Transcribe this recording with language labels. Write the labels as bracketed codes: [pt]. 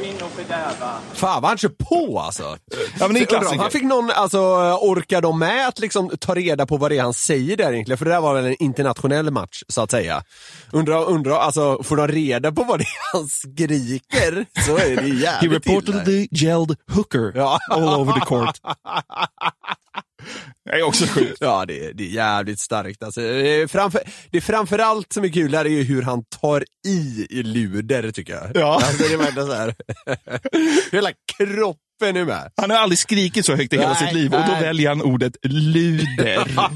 [sv] är inne och fördärva. Fan, vad han kör på alltså. Ja, men det är han fick någon, alltså, orkar de med att liksom ta reda på vad det är han säger där egentligen? För det där var väl en internationell match, så att säga. Undra, alltså, får de reda på vad det är han skriker? Så är det jävligt. [en] He reportedly yelled hooker all over the court. [sv] Det är också sjukt. Ja, det är jävligt starkt. Alltså, det är framförallt som är kul här är ju hur han tar i luder, tycker jag. Ja. Alltså, det är verkligen så här. Hela kroppen är med. Han har aldrig skrikit så högt i hela sitt liv. Och då väljer han ordet luder.